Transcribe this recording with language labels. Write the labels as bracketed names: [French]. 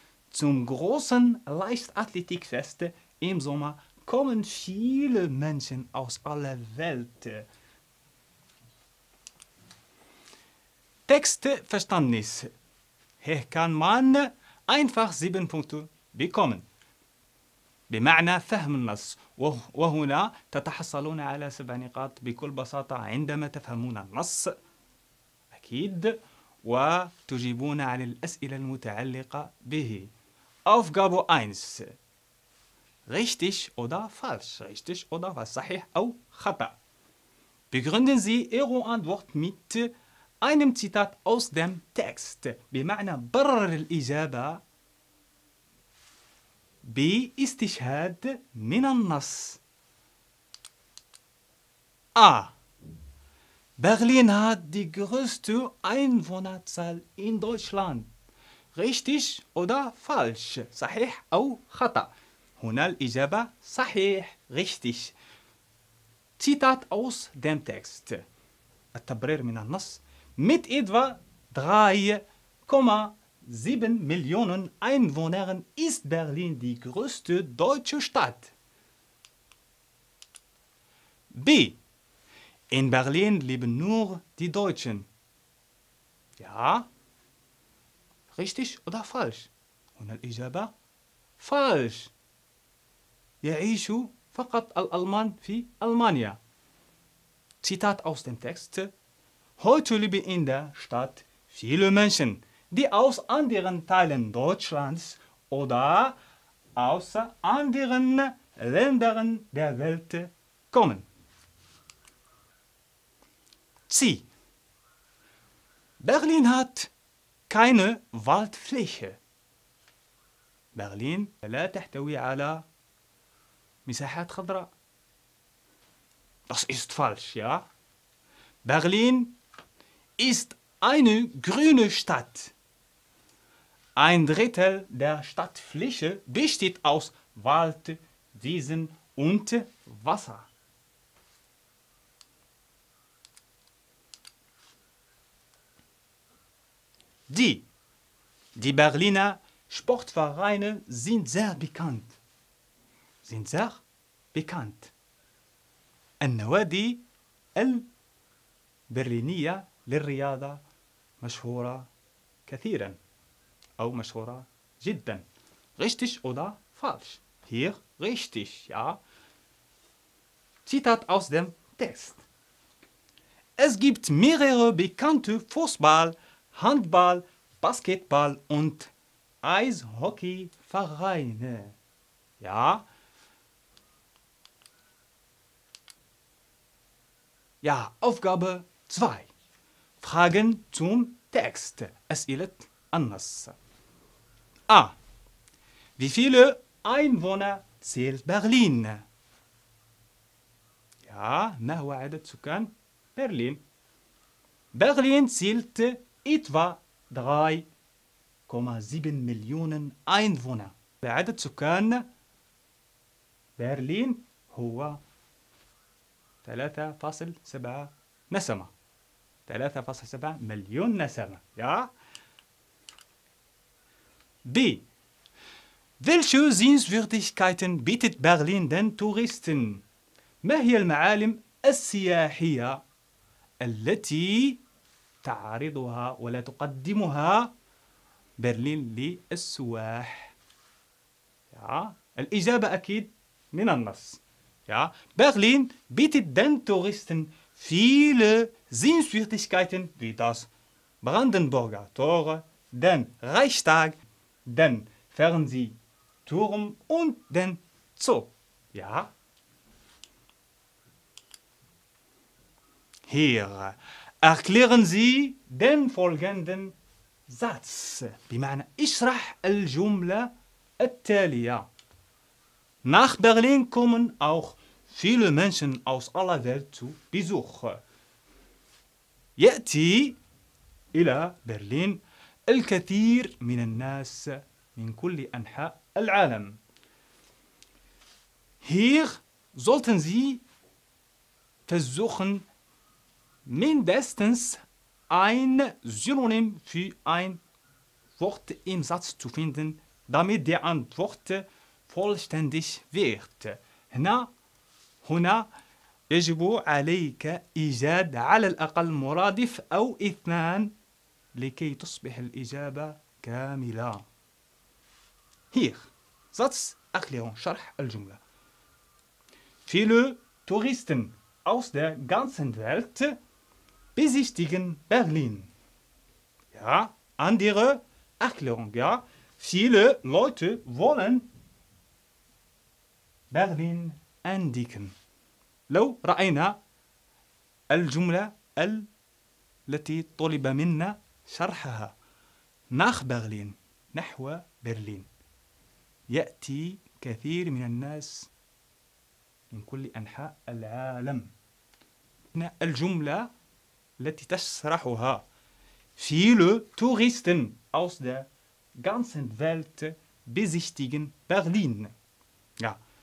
[German] Zum großen Leichtathletikfest im Sommer kommen viele Menschen aus aller Welt. Textverständnis. Hier kann man einfach 7 Punkte bekommen. [Arabic] بمعنى فهم النص. وهنا تتحصلون على 7 نقاط بكل بساطة عندما تفهمون النص. أكيد. وتجيبون على الأسئلة المتعلقة به. [German] Aufgabe 1. Richtig oder falsch? Richtig oder falsch? [Arabic] صحيح أو خطأ. [German] Begründen Sie Ihre Antwort mit einem Zitat aus dem Text. [Arabic] بمعنى برر الإجابة باستشهاد من النص. [German] A. Berlin hat die größte Einwohnerzahl in Deutschland. Richtig oder falsch? [Arabic] صحيح أو خطأ. هنا الإجابة صحيح. [German] Richtig. Zitat aus dem Text. [Arabic] التبرير من النص. [German] Mit etwa 3,7 Millionen Einwohnern ist Berlin die größte deutsche Stadt. B. In Berlin leben nur die Deutschen. Ja. Richtig oder falsch? Und [Arabic] الإجابة [German] falsch. [Arabic] يعيش فقط الألمان في ألمانيا. [German] Zitat aus dem Text. Heute leben in der Stadt viele Menschen, die aus anderen Teilen Deutschlands oder aus anderen Ländern der Welt kommen. Sie. Berlin hat keine Waldfläche. [Arabic] Berlin لا تحتوي على مساحات خضراء. [German] Das ist falsch, ja. Berlin ist eine grüne Stadt. Ein Drittel der Stadtfläche besteht aus Wald, Wiesen und Wasser. Die Berliner Sportvereine sind sehr bekannt. Sind sehr bekannt. [Arabic] النوادي البرلينية للرياضة مشهورة كثيرا أو مشهورة جدا. [German] Richtig oder falsch? Hier richtig, ja. Zitat aus dem Text. Es gibt mehrere bekannte Fußball, Handball, Basketball und Eishockey-Vereine. Ja. Ja, Aufgabe 2. Fragen zum Text. [Arabic] أسئلت أنس. A. [German] Wie viele Einwohner zählt Berlin? [Arabic] Ja, ما هو عدد سكان Berlin? [German] Berlin zählt etwa 3,7 Millionen Einwohner. [Arabic] عدد سكان Berlin هو 3.7 نسمة. 3.7 مليون نسمة. يا. [German] B. Welche Sehenswürdigkeiten bietet Berlin den Touristen? [Arabic] ما هي المعالم السياحية التي تعرضها ولا تقدمها برلين للسواح؟ يا. الإجابة أكيد من النص. [German] Ja, Berlin bietet den Touristen viele Sehenswürdigkeiten wie das Brandenburger Tor, den Reichstag, den Fernsehturm und den Zoo. Ja. Hier erklären Sie den folgenden Satz. [Arabic] بمعنى اشرح الجملة التالية. [German] Nach Berlin kommen auch viele Menschen aus aller Welt zu Besuch. [Arabic] يأتي إلى برلين الكثير من الناس من كل أنحاء العالم. [German] Hier sollten Sie versuchen, mindestens ein Synonym für ein Wort im Satz zu finden, damit die Antwort vollständig wird. [Arabic] هنا يجب عليك إيجاد على الأقل مرادف أو اثنان لكي تصبح الإجابة كاملة. [German] Hier, Satz erklärung, [Arabic] شرح الجملة. [German] Viele Touristen aus der ganzen Welt besichtigen Berlin. Ja, andere Erklärung, ja. Viele Leute wollen Berlin entdecken. [Arabic] لو رأينا الجملة التي طلب منا شرحها [German] nach Berlin [Arabic] نحو برلين يأتي كثير من الناس من كل أنحاء العالم الجملة التي تشرحها [German] viele Touristen aus der ganzen Welt besichtigen Berlin ja.